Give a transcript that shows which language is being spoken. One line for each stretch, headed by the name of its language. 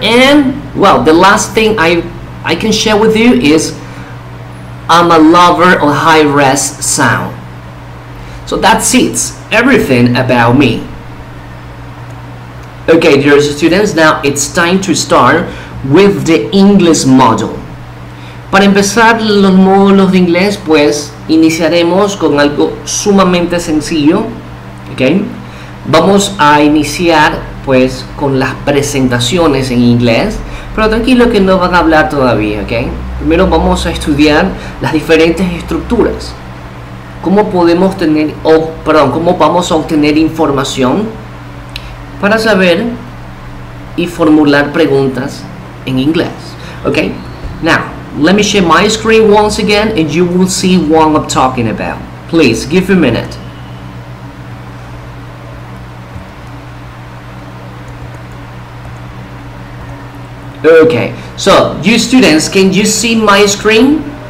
English: And well, the last thing I can share with you is I'm a lover of high res sound. So that's it. Everything about me. Okay, dear students, now it's time to start with the English module.
Spanish: Para empezar los módulos de inglés, pues iniciaremos con algo sumamente sencillo. Okay, vamos a iniciar pues con las presentaciones en inglés, pero tranquilo que no van a hablar todavía. Okay, primero vamos a estudiar las diferentes estructuras. ¿Cómo podemos tener, cómo vamos a obtener información para saber y formular preguntas en inglés?
English: Okay, now, let me share my screen once again and you will see what I'm talking about. Please, give me a minute. Okay, so, you students, can you see my screen?